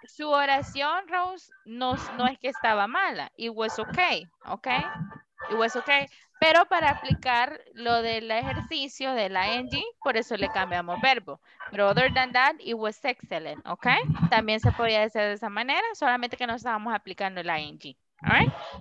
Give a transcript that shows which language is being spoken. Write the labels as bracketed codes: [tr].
[es] Su oración, Rose, no es que estaba mala. [en] It was okay, okay? It was okay. [es] Pero para aplicar lo del ejercicio de la ing, por eso le cambiamos verbo. [en] But other than that, it was excellent, okay? [es] También se podía decir de esa manera, solamente que no estábamos aplicando la ing, all right?